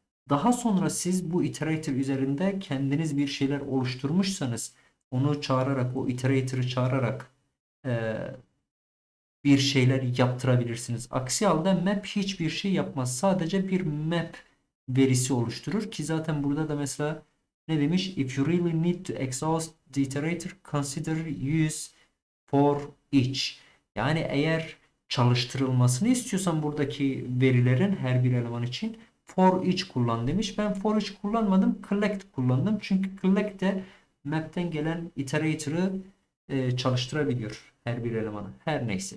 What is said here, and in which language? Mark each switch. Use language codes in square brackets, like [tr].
[tr] Daha sonra siz bu iterator üzerinde kendiniz bir şeyler oluşturmuşsanız onu çağırarak, o iterator'ı çağırarak bir şeyler yaptırabilirsiniz. Aksi halde map hiçbir şey yapmaz. Sadece bir map verisi oluşturur ki zaten burada da mesela ne demiş? [en] If you really need to exhaust the iterator, consider use for each. [tr] Yani eğer çalıştırılmasını istiyorsan buradaki verilerin her bir eleman için for each kullan demiş. Ben for each kullanmadım, collect kullandım. Çünkü collect de map'ten gelen iterator'ı çalıştırabiliyor her bir elemanı. Her neyse.